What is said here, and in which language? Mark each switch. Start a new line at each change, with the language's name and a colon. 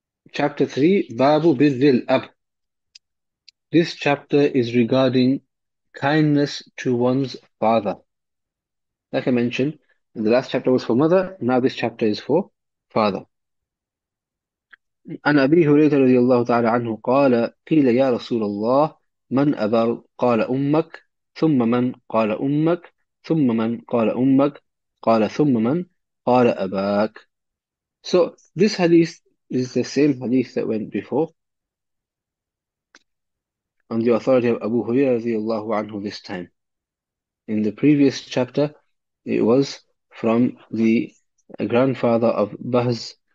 English: Chapter 3, Babu Birril Ab. This chapter is regarding kindness to one's father. Like I mentioned, the last chapter was for mother, now this chapter is for father.
Arabic: عن أبي هريرة رضي الله تعالى عنه قال قيل يا رسول الله من أبر قال أمك ثم من قال أمك ثم من قال أمك قال ثم من قال أباك.
English: So this hadith is the same hadith that went before on the authority of Abu Hurairah رضي الله عنه this time. In the previous chapter it was from the grandfather of Bahz.